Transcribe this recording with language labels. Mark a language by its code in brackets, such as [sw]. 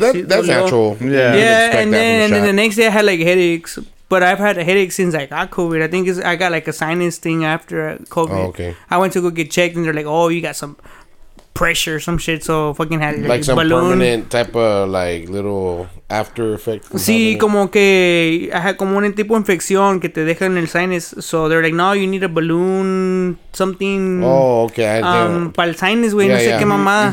[en] But that's natural. Yeah. Yeah, and then the next day I had like headaches. But I've had a headache since I got COVID. I think I got like a sinus thing after COVID. Oh, okay. I went to go get checked and they're like, oh, you got some pressure or some shit. So fucking had like some balloon. Permanent type of like little after effect. [es] Sí, como que ajá, como un tipo de infección que te deja en el sinus. [en] So they're like, no, you need a balloon, something. Oh, okay. [es] Para el sinus, güey, yeah, no sé qué mamada.